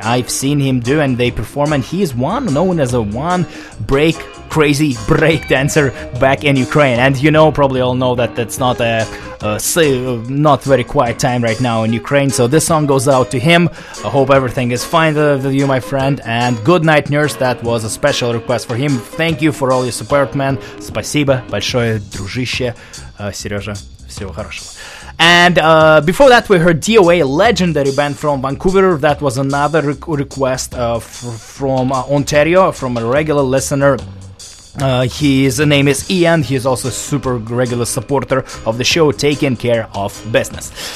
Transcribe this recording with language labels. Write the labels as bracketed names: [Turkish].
[English] I've seen him do, and they perform, and he is one known as a one break crazy break dancer back in Ukraine. And you know, probably all know that that's not a not very quiet time right now in Ukraine. So this song goes out to him. I hope everything is fine with you, my friend. And Good Night Nurse, that was a special request for him. Thank you for all your support, man. [Russian] Спасибо большое, дружище. Сережа, всего хорошего. [English] And before that, we heard DOA, legendary band from Vancouver. That was another request from Ontario, from a regular listener. His name is Ian. He's also a super regular supporter of the show, taking care of business.